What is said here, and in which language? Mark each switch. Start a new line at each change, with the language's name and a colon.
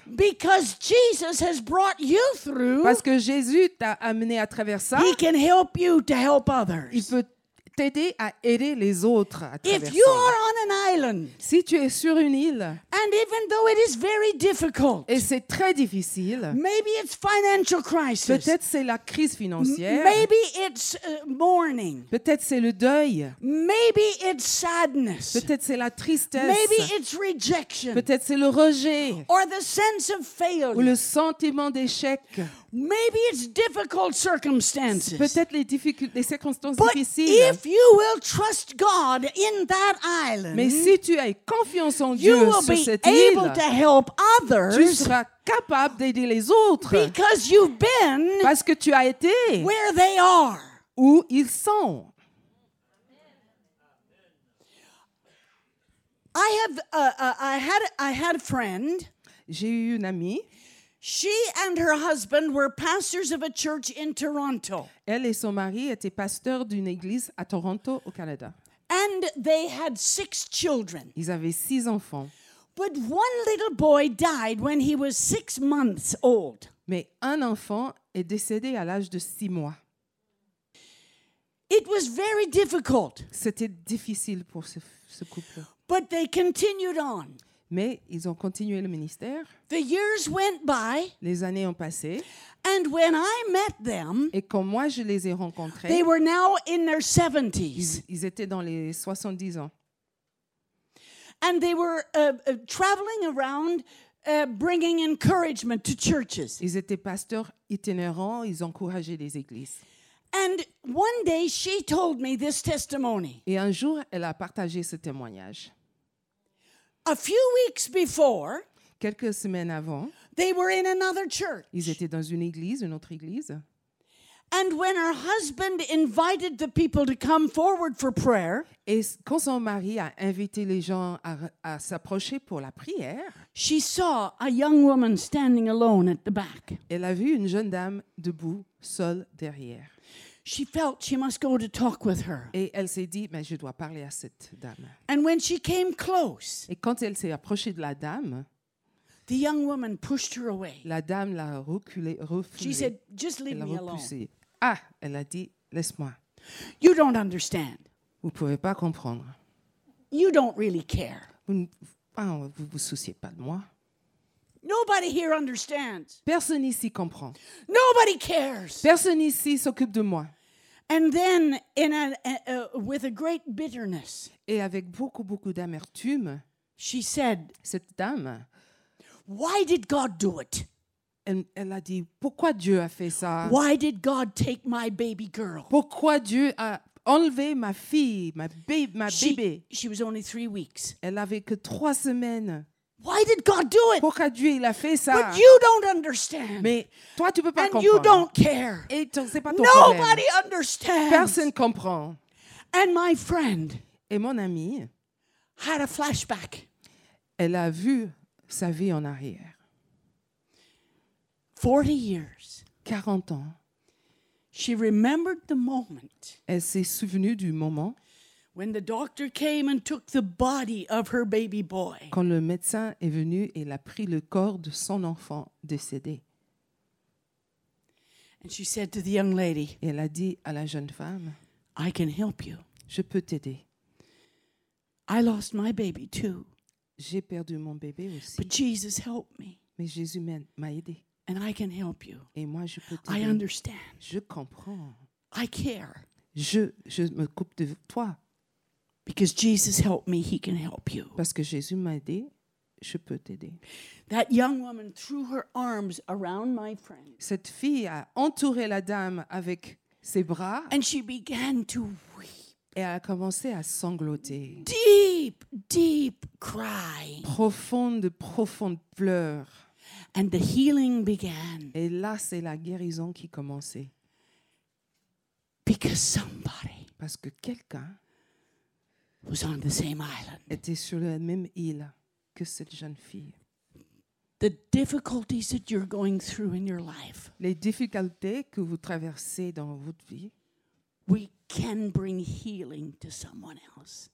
English: Because Jesus has brought you through,
French: parce que Jésus t'a amené à travers ça.
English: He can help you to help others.
French: Il peut t'aider à aider les autres à
English: if you are on an island,
French: si tu es sur une île,
English: and even though it is very difficult,
French: et c'est très difficile,
English: maybe it's financial crisis,
French: peut-être c'est la crise financière,
English: maybe it's mourning,
French: peut-être c'est le deuil,
English: maybe it's sadness,
French: peut-être c'est la tristesse,
English: maybe it's rejection,
French: peut-être c'est le rejet,
English: or the sense of failure,
French: ou le sentiment d'échec.
English: Maybe it's difficult circumstances.
French: Peut-être les circonstances
English: but
French: difficiles.
English: If you will trust God in that island,
French: mais si tu as confiance en
English: you
French: Dieu
English: will
French: sur cette
English: be
French: île,
English: able to help others,
French: tu seras capable d'aider les autres.
English: Because you've been
French: parce que tu as été
English: where they are.
French: Où ils sont.
English: I had a friend.
French: J'ai eu une amie.
English: She and her husband were pastors of a church in Toronto.
French: Elle et son mari étaient pasteurs d'une église à Toronto, au Canada.
English: And they had six children.
French: Ils avaient six enfants.
English: But one little boy died when he was 6 months old.
French: Mais un enfant est décédé à l'âge de 6 mois.
English: It was very difficult.
French: C'était difficile pour ce couple.
English: But they continued on.
French: Mais ils ont continué le ministère.
English: The years went by,
French: les années ont passé.
English: And when I met them,
French: et quand moi je les ai rencontrés,
English: they were now in their 70s.
French: Ils étaient dans les 70 ans.
English: And they were traveling around, bringing encouragement to churches.
French: Ils étaient pasteurs itinérants, ils encourageaient les églises.
English: And one day she told me this testimony.
French: Et un jour, elle a partagé ce témoignage.
English: A few weeks before,
French: quelques semaines avant,
English: they were in another church.
French: Ils étaient dans une église, une autre église.
English: And when her husband invited the people to come forward for prayer,
French: et quand son mari a invité les gens à s'approcher pour la prière,
English: she saw a young woman standing alone at the back.
French: Elle a vu une jeune dame debout, seule derrière.
English: She felt she must go to talk with her.
French: Et elle s'est dit, mais je dois parler à cette dame.
English: And when she came close,
French: et quand elle s'est approchée de la dame,
English: the young woman pushed her away.
French: La dame l'a refoulée.
English: She said, just leave
French: elle
English: me alone.
French: Ah, elle a dit, laisse-moi.
English: You don't understand.
French: Vous ne pouvez pas comprendre.
English: You don't really care.
French: Vous ne vous souciez pas de moi.
English: Nobody here understands.
French: Personne ici comprend.
English: Nobody cares.
French: Personne ici s'occupe de moi.
English: And then, in with a great bitterness,
French: et avec beaucoup beaucoup d'amertume,
English: she said,
French: cette dame,
English: why did God do it?
French: Elle a dit, pourquoi Dieu a fait ça?
English: Why did God take my baby girl?
French: Pourquoi Dieu a enlevé ma fille, ma bébé?
English: She was only 3 weeks.
French: Elle avait que 3 semaines.
English: Why did God do it?
French: Pourquoi Dieu il a fait ça?
English: But you don't understand.
French: Mais toi tu peux pas
English: and
French: comprendre.
English: And you don't care.
French: Et tu sais pas ton
English: Nobody
French: problème.
English: Understands.
French: Personne comprend.
English: And my friend.
French: Et mon ami.
English: Had a flashback.
French: Elle a vu sa vie en arrière.
English: 40 years.
French: 40 ans.
English: She remembered the moment.
French: Elle s'est souvenue du moment.
English: When the doctor came and took the body of her baby boy.
French: Quand le médecin est venu et l'a pris le corps de son enfant décédé.
English: And she said to the young lady.
French: Et elle a dit à la jeune femme.
English: I can help you.
French: Je peux t'aider.
English: I lost my baby too.
French: J'ai perdu mon bébé aussi.
English: But Jesus helped me.
French: Mais Jésus m'a aidé.
English: And I can help you.
French: Et moi je peux t'aider.
English: I understand.
French: Je comprends.
English: I care.
French: Je me coupe de toi.
English: Because Jesus helped me, he can help you.
French: Parce que Jésus m'a aidé, je peux t'aider.
English: That young woman threw her arms around my friend.
French: Cette fille a entouré la dame avec ses bras.
English: And she began to weep.
French: Et elle a commencé à sangloter.
English: Deep, deep cry.
French: Profonde, profonde pleure.
English: And the healing began.
French: Et là, c'est la guérison qui commençait.
English: Because somebody.
French: Parce que quelqu'un.
English: Was on the same island.
French: Était sur la même île que cette jeune fille.
English: The difficulties that you're going through in your life.
French: Les difficultés que vous traversez dans votre vie.
English: We can bring healing to someone else.